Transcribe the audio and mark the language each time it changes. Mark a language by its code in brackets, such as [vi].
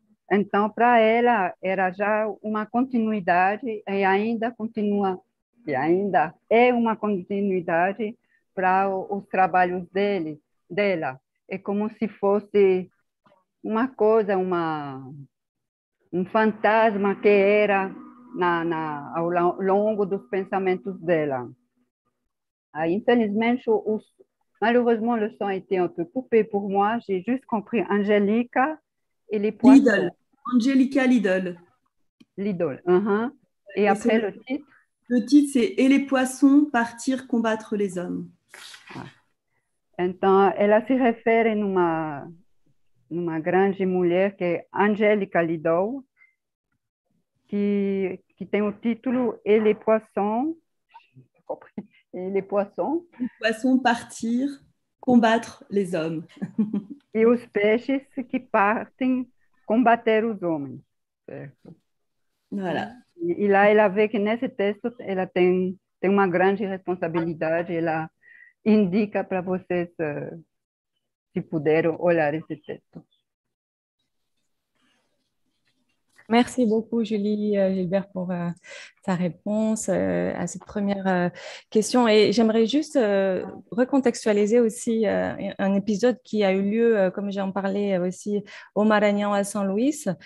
[pt] Então, para ela, era já uma continuidade e ainda continua, e ainda é uma continuidade para os trabalhos dele, dela. É como se fosse uma coisa, um fantasma que era ao longo dos pensamentos dela. Aí, infelizmente, [fr] malheureusement, le son a été un peu coupé pour moi. J'ai juste compris Angelica et les poissons. Lidl, Angelica Lidl. L'idole. Et Et c'est après le titre. le titre, c'est Et les poissons partir combattre les hommes. [pt] Então, ela se refere numa grande mulher que é Angelica Lidl, que tem o título Et les poissons. [fr] Et les poissons. Les poissons partir combattre les hommes. [pt] E os peixes que partem combater os homens, certo? [fr] Voilà. [pt] E lá ela vê que nesse texto ela tem uma grande responsabilidade, ela indica para vocês, se puderam olhar esse texto. [fr] Merci beaucoup, Julie, Gilbert, pour ta réponse à cette première question. Et j'aimerais juste recontextualiser aussi un épisode qui a eu lieu, comme j'en parlais aussi, au Maranhão à Saint-Louis.